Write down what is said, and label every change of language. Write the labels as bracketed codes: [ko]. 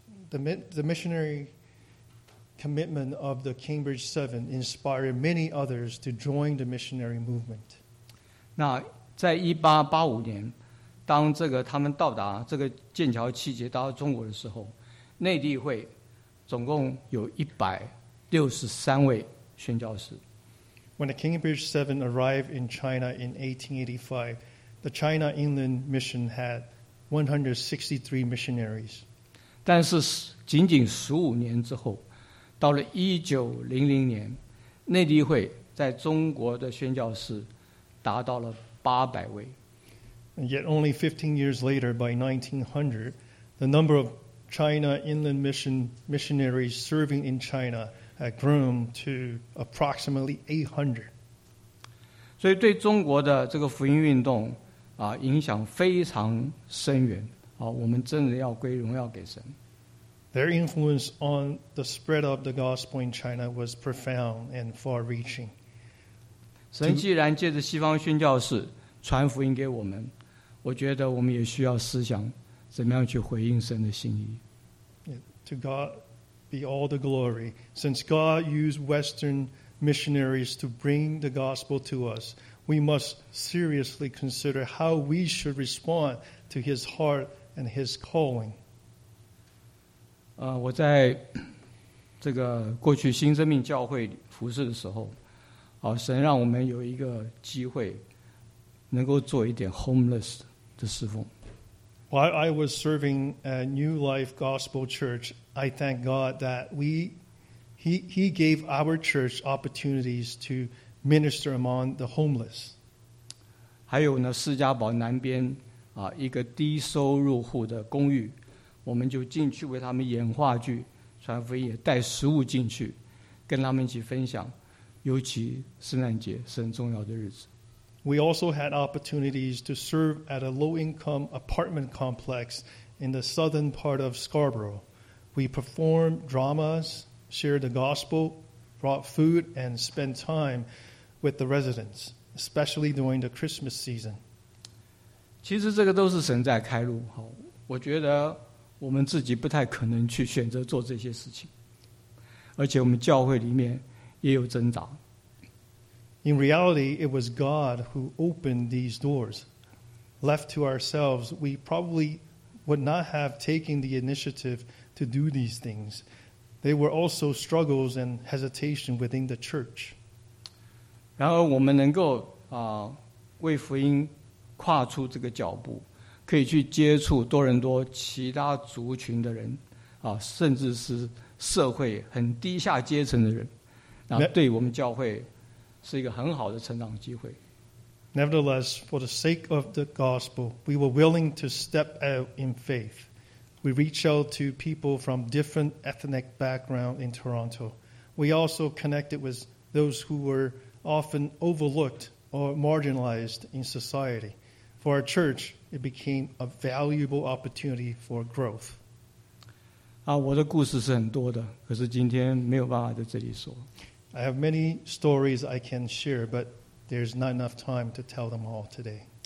[en] The missionary commitment of the Cambridge Seven inspired many others to join the missionary movement. [zh] 那在1885年，当这个他们到达这个剑桥七节到中国的时候，内地会总共有163位宣教士。 [en] When the Cambridge Seven arrived in China in 1885, the China Inland Mission had 163 missionaries. [zh] 但是仅仅15年之后，到了1900年，内地会在中国的宣教士达到了800位。 [en] And yet only 15 years later, by 1900, the number of China Inland Mission missionaries serving in China had grown to approximately 800. [zh] 所以对中国的这个福音运动啊，影响非常深远啊，我们真的要归荣耀给神。 [en] Their influence on the spread of the gospel in China was profound and far-reaching. [zh] 神既然借着西方宣教士传福音给我们，我觉得我们也需要思想怎么样去回应神的心意。 [en] To God be all the glory. Since God used Western missionaries to bring the gospel to us, we must seriously consider how we should respond to His heart and His calling. [zh] 我在这个过去新生命教会服事的时候，神让我们有一个机会能够做一点 homeless 的侍奉。 [en] While I was serving a New Life Gospel Church, I thank God that He gave our church opportunities to minister among the homeless. [zh] 还有呢，释迦堡南边一个低收入户的公寓。我们就进去为他们演话剧，传福音也带食物进去，跟他们一起分享，尤其圣诞节是很重要的日子。 [en] We also had opportunities to serve at a low-income apartment complex in the southern part of Scarborough. We performed dramas, shared the gospel, brought food, and spent time with the residents, especially during the Christmas season. [zh] 其实这个都是神在开路，我觉得 我们自己不太可能去选择做这些事情，而且我们教会里面也有挣扎。 [en] In reality, it was God who opened these doors. Left to ourselves, we probably would not have taken the initiative to do these things. There were also struggles and hesitation within the church. [zh] 然而我们能够为福音跨出这个脚步， 可以去接触多伦多其他族群的人，甚至是社会很低下阶层的人，那对我们教会是一个很好的成长机会。 [en] Nevertheless, for the sake of the gospel, we were willing to step out in faith. We reached out to people from different ethnic backgrounds in Toronto. We also connected with those who were often overlooked or marginalized in society. For our church, it became a valuable opportunity for growth. [zh] 我的故事是很多的，可是今天没有办法在这里说。 [en] I have many stories I can share, but there's not enough time to tell them all today.